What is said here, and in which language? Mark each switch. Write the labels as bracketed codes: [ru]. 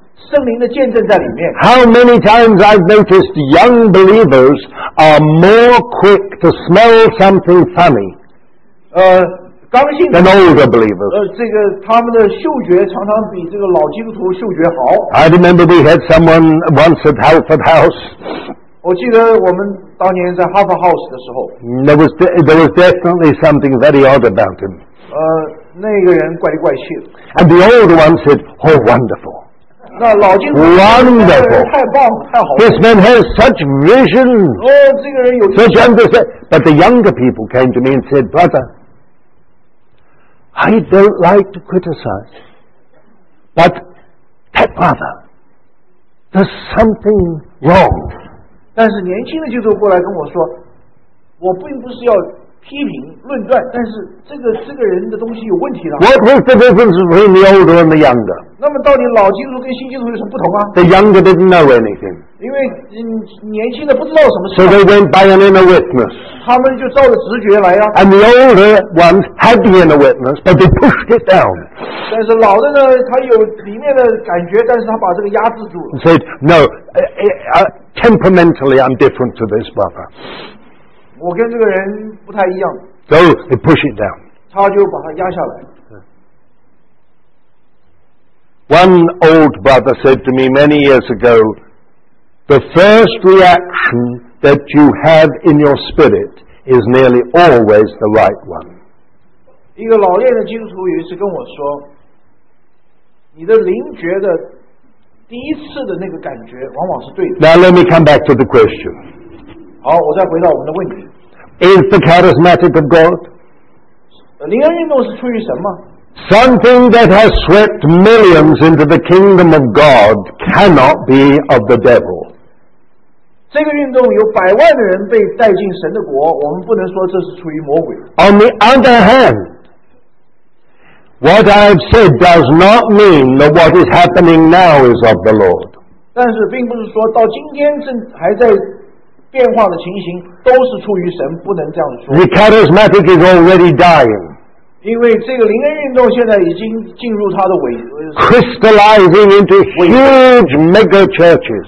[en] How many times I've noticed young believers are more quick to smell something funny than older believers. [zh] 这个他们的嗅觉常常比这个老基督徒嗅觉好。 [en] I remember we had someone once at Halford House. [zh] 我记得我们当年在Halford House的时候, [en] there was definitely something very odd about him. [zh] 那个人怪里怪气的。 [en] And the older one said, oh wonderful. Wonderful. This man has such visions. Such understanding. But the younger people came to me and said, brother, I don't like to criticize, but that brother there's something wrong. [zh] 但是年轻的基督徒过来跟我说，我并不是要批评论断，但是这个人的东西有问题了。 [en] What is the difference between the older and the younger? [zh] 那么到底老基督徒跟新基督徒有什么不同啊？ [en] The younger didn't know anything. [zh] 因为年轻的不知道什么事。 [en] So they went by an inner witness. [zh] 他们就照着直觉来啊。 [en] And the older ones had the inner witness, but they pushed it down. [zh] 但是老的呢，他有里面的感觉，但是他把这个压制住了。 [en] He said, no, temperamentally I'm different to this brother. [zh] 我跟这个人不太一样。 [en] So they push it down. [zh] 他就把他压下来。 [en] One old brother said to me many years ago, the first reaction that you have in your spirit is nearly always the right one. [zh] 一个老练的基督徒有一次跟我说，你的灵觉的第一次的那个感觉往往是对的。 [en] Now let me come back to the question. [zh] 好，我再回到我们的问题。 [en] Is the charismatic of God? [zh] 灵恩运动是出于什么? [en] Something that has swept millions into the kingdom of God cannot be of the devil. [zh] 这个运动有百万的人被带进神的国，我们不能说这是出于魔鬼。 [en] On the other hand, what I've said does not mean that what is happening now is of the Lord. [zh] 但是并不是说到今天正还在变化的情形都是出于神，不能这样说。 [en] The charismatic is already dying. [zh] 因为这个灵恩运动现在已经进入它的尾 [en] crystallizing into huge mega churches.